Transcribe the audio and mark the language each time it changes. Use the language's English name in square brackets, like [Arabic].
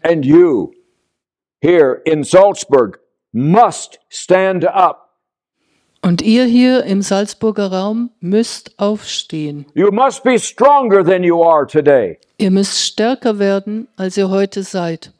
[English] And you, here in Salzburg, must stand up. [German] Und ihr hier im Salzburger Raum müsst aufstehen. [English] You must be stronger than you are today. [German] Ihr müsst stärker werden, als ihr heute seid.